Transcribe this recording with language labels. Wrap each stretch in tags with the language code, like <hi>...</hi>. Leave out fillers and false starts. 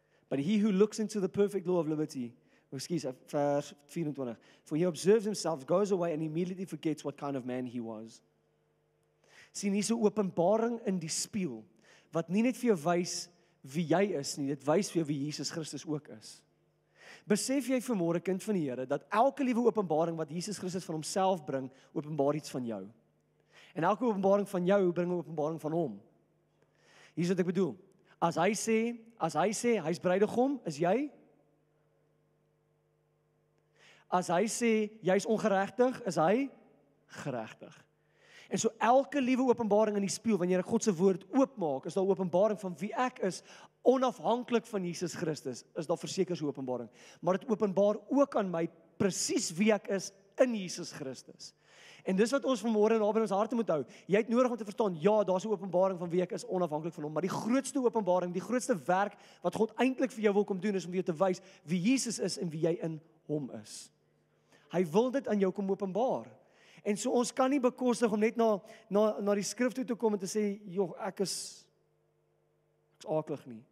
<en>But he who looks into the perfect law of liberty, excuse me, verse 24, for he observes himself, goes away, and immediately forgets what kind of man he was.</en> <af>Sien, hier is 'n openbaring in die spieël, wat nie net vir jou wys wie jy is nie, dit wys vir jou wie Jesus Christus ook is. Besef jy vanmôre, kind van die Here, dat elke liewe openbaring wat Jesus Christus van homself bring, openbaar iets van jou. En elke openbaring van jou bring 'n openbaring van hom. Hier is wat ek bedoel. As hy sê, hy is bruidegom, is jy? As hy sê, jy is ongeregtig, is hy geregtig. En so elke liewe openbaring in die spieël, wanneer ek God se woord oopmaak, is daar openbaring van wie ek is, onafhanklik van Jesus Christus, is daar verseker so openbaring. Maar het openbaar ook aan my, presies wie ek is in Jesus Christus. En dis wat ons vanmôre na binne ons harte moet hou. Jy het nodig om te verstaan, ja, daar is 'n openbaring van wie ek is onafhanklik van hom, maar die grootste openbaring, die grootste werk wat God eintlik vir jou wil kom doen is om vir jou te wys wie Jesus is en wie jy in hom is. Hy wil dit aan jou kom openbaar. En so ons kan nie bekostig om net na die skrif toe te kom en te sê, "Joh, ek is aaklig nie."</af>